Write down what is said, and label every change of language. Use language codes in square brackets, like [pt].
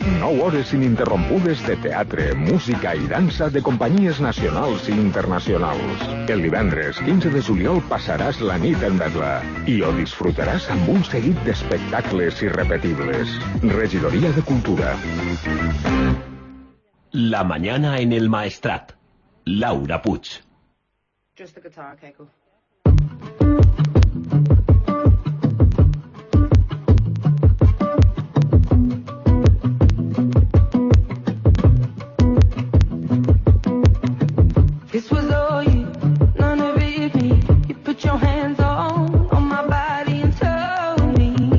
[ca] 9 hores ininterrompudes de teatre, música i dansa de companyies nacionals i internacionals. El divendres 15 de juliol passaràs la nit en Berla i ho disfrutaràs amb un seguit d'espectacles irrepetibles. Regidoria de Cultura. [es] La mañana en el Maestrat. Laura Puig. [en] Just the guitar, okay, cool. This was all you, none of it me. You put your hands on my body and told me.